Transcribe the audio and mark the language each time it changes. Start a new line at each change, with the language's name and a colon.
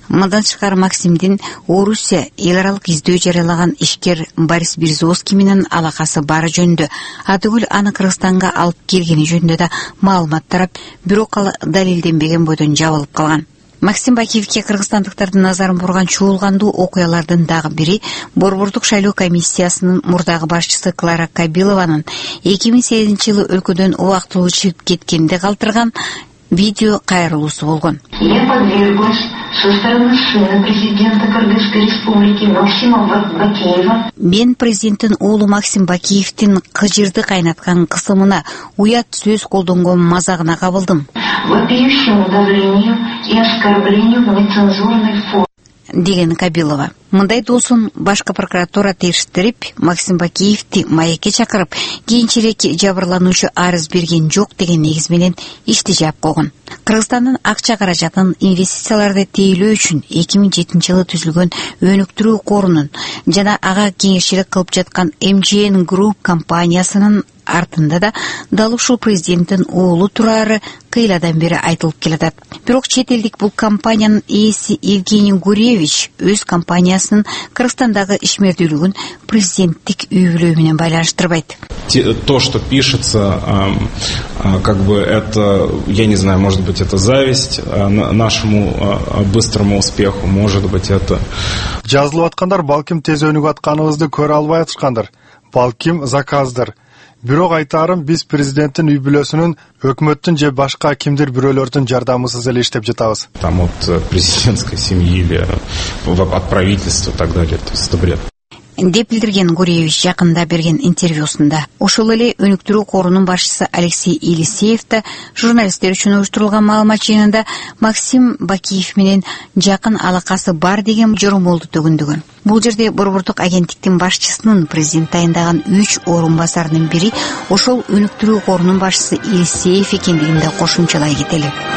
Kyrgyz: Мындан тышкары Максимдин Орусия эл аралык издөө жарыялаган ишкер Борис Березовский менен алакасы бары жөнүндө, атүгүл аны Кыргызстанга алып келгени жөнүндө да маалымат тарап, бирок ал далилденбеген бойдон жабылып калган. Максим Бакиевке кыргызстандыктардын назарын бурган чуулгандуу окуялардын дагы бири борбордук шайлоо комиссиясынын мурдагы башчысы Клара Кабилованын 2008 жылы өлкөдөн убактылуу чыгып кеткенди калтырган видео кайрылуусу болгон.
Russian: Я подвергнусь со стороны сына президента Кыргызской республики Максима Бакиева.
Kyrgyz: Мен президенттин уулу Максим Бакиевтин кыжырды кайнаткан кысымына, уят сөз колдонгон мазагына кабылдым.
Russian: Вопиющему давлению и оскорблению в нецензурной форме.
Kyrgyz: Деген Кабилова. Мындай досун башка прокуратура териштирип, Максим Бакиевти маекке чакырып, кийинчерээк жабырлануучу арыз берген жок деген негиз менен ишти жаап койгон. Кыргызстандын акча каражатын инвестицияларды тейлөө үчүн 2007 жылы түзүлгөн өнүктүрүү корунун жана ага кеңешчилик кылып жаткан MGN Group компаниясынын артында да дал ушул президенттин уулу турары кыйладан бери айтылып келатат. Бирок чет элдик бул компаниянын ээси Евгений Гуревич өз компаниясынын Кыргызстандагы ишмердүүлүгүн президенттик үй бүлөө менен байланыштырбайт.
Russian: То, что пишется, как бы это, я не знаю, может быть, это зависть нашему быстрому успеху, может быть, это...
Kyrgyz: Жазылып аткандар балким тез өнүгүп атканыбызды көрө албай атышкандыр, балким заказдыр. Бирок айтарым, биз президенттин үй бүлөсүнүн өкмөттүн же башка кимдир бирөөлөрдүн жардамысыз эле иштеп жатабыз.
Russian: Там от президентской семьи или от правительства и так далее. То есть это бред.
Kyrgyz: Деп билдирген Гуревич жакында берген интервьюсунда. Ошол эле өнүктүрүү корунун башчысы Алексей Елисеев да журналисттер үчүн уюштурулган маалымат жыйынында Максим Бакиев менен жакын алакасы бар деген жоромолду төгүндөгөн. Бул жерде борбордук агенттиктин башчысынын президент тайындаган 3 орун басарынын бири ошол өнүктүрүү корунун башчысы Елисеев экендигин да кошумчалай кетели.